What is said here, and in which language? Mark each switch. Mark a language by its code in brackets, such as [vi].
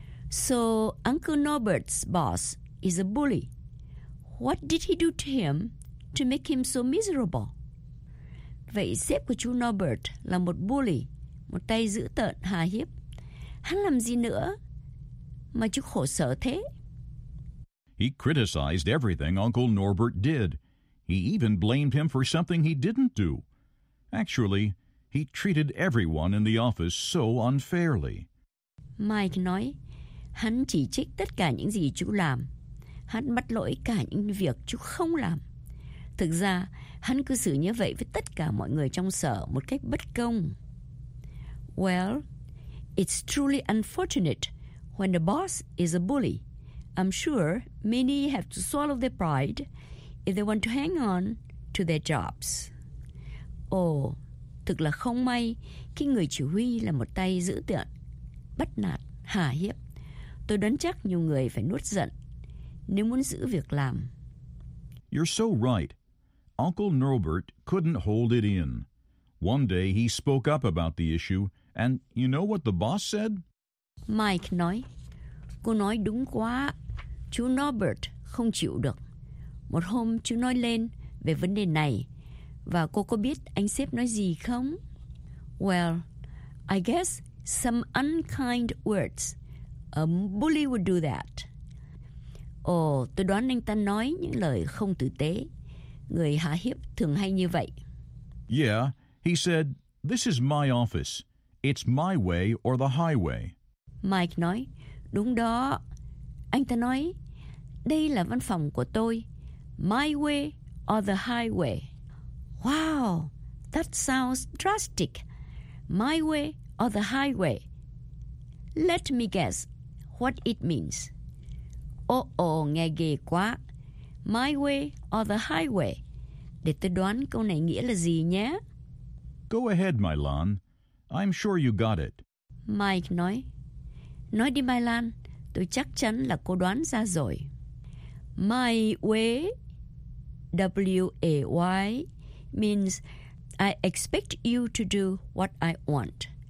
[en] So, Uncle Norbert's boss is a bully. What did he do to him to make him so miserable? [vi] Vậy sếp của chú Norbert là một bully, một tay dữ tợn, hà hiếp. Hắn làm gì nữa mà chú khổ sở thế? [en] He criticized everything Uncle Norbert did. He even blamed him for something he didn't do. Actually, he treated everyone in the office so unfairly. [vi] Mike nói, hắn chỉ trích tất cả những gì chú làm. Hắn bắt lỗi cả những việc chú không làm. Thực ra, hắn cư xử như vậy với tất cả mọi người trong sở một cách bất công. [en] Well, it's truly unfortunate when a boss is a bully. I'm sure many have to swallow their pride if they want to hang on to their jobs. [vi] Ồ, thực là không may khi người chỉ huy là một tay dữ tợn, bắt nạt, hà hiếp. Tôi đoán chắc nhiều người phải nuốt giận nếu muốn giữ việc làm. [en] You're so right. Uncle Norbert couldn't hold it in. One day he spoke up about the issue, and you know what the boss said? [vi] Mike nói, cô nói đúng quá, chú Norbert không chịu được. Một hôm chú nói lên về vấn đề này, và cô có biết anh sếp nói gì không? [en] Well, I guess some unkind words. A bully would do that. [vi] Ồ, tôi đoán anh ta nói những lời không tử tế. Người hạ hiếp thường hay như vậy. [en] Yeah, he said, this is my office. It's my way or the highway. [vi] Mike nói, đúng đó. Anh ta nói, đây là văn phòng của tôi. [en] My way or the highway. Wow, that sounds drastic. My way or the highway. Let me guess what it means. [vi] Oh, nghe ghê quá. My way or the highway. Để tôi đoán câu này nghĩa là gì nhé. [en] Go ahead, Mylan. I'm sure you got it. [vi] Mike nói. Nói đi, Mylan. Tôi chắc chắn là cô đoán ra rồi. [en] My way, W-A-Y, means I expect you to do what I want.